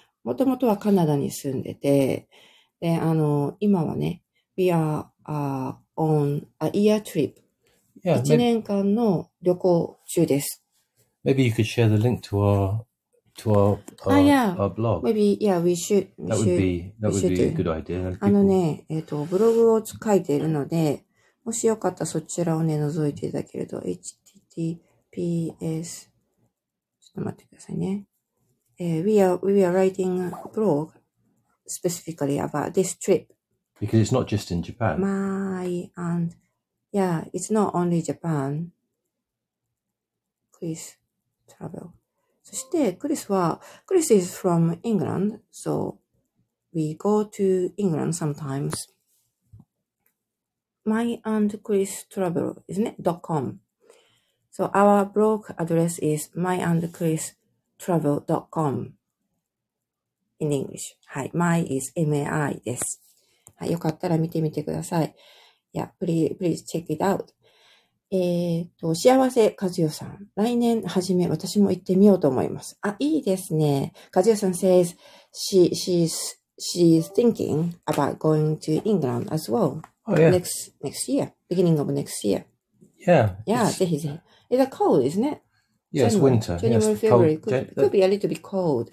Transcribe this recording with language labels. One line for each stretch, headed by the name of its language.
Japanese: もともとはカナダに住んでて、で、今はね、
English: We are on a year trip.
Japanese: 一年間の旅行中です。
English: Maybe you could share the link to our yeah. our blog. Maybe, yeah, we should. That would be a good idea.
Japanese: あのね、ブログを書いているので、もしよかったらそちらをね、覗いていただけると、https、ちょっと待ってくださいね。
English: We are writing a blog specifically about this trip. Because it's not just in Japan. My, and, yeah, it's not only Japan. Please travel. そしてクリス is from England, so we go to England sometimes. My and Chris travel, isn't it? .com. So our blog address is myandchristravel.com in English.
Japanese: はい、my is mai です。はい、よかったら見てみてください。
English: Yeah, please check it out. 幸せ和代さん。
Japanese: 来年初め、私も行ってみようと思います。あ、いいですね。
English: 和代さん says, she's thinking about going to England as well. Oh, yeah. Next year. Beginning of next year. Yeah. Yeah,
Japanese: ぜひぜひ。
English: It's cold, isn't it? Yeah, it's winter. January, yes, February. Could be a little bit cold.